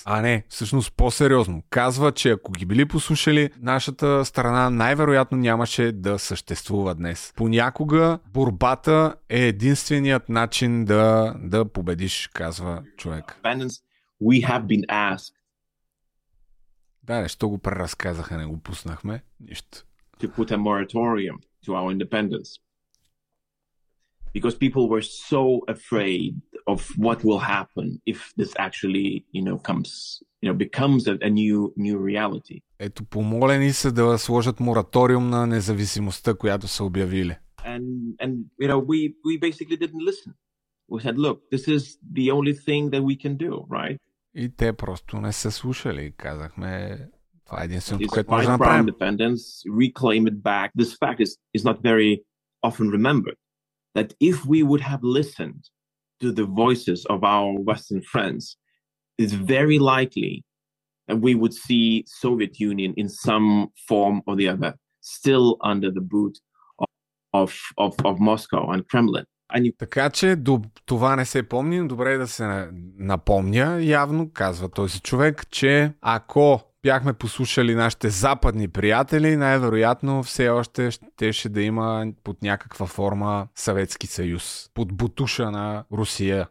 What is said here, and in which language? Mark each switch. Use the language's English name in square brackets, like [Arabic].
[Bulgarian] А не, всъщност по-сериозно. Казва, че ако ги били послушали, нашата страна най-вероятно нямаше да съществува днес. Понякога борбата е единственият начин да победиш, казва човек. [English] We have been asked. [Bulgarian] Да, нещо го преразказаха, не го пуснахме. Нищо. [English] To put a moratorium to our independence. Because people were so afraid of what will happen if this actually, you know, comes, you know, becomes a new reality. [Bulgarian] Ето, помолени са да сложат мораториум на независимостта, която са обявили. [English] And you know, we basically didn't listen. We said, look, this is the only thing that we can do, right? [Bulgarian] И те просто не се слушали. Казахме, това е единственото, което можем да направим. [English] Find independence, reclaim it back. This fact is not very often remembered. That if we would have listened to the voices of our Western friends, it's very likely that we would see Soviet Union in some form or the other still under the boot of Moscow and Kremlin. [Bulgarian] Така че това не се помни, но добре да се напомня явно, казва този човек, че ако бяхме послушали нашите западни приятели, най-вероятно все още щеше да има под някаква форма Съветски съюз, под бутуша на Русия.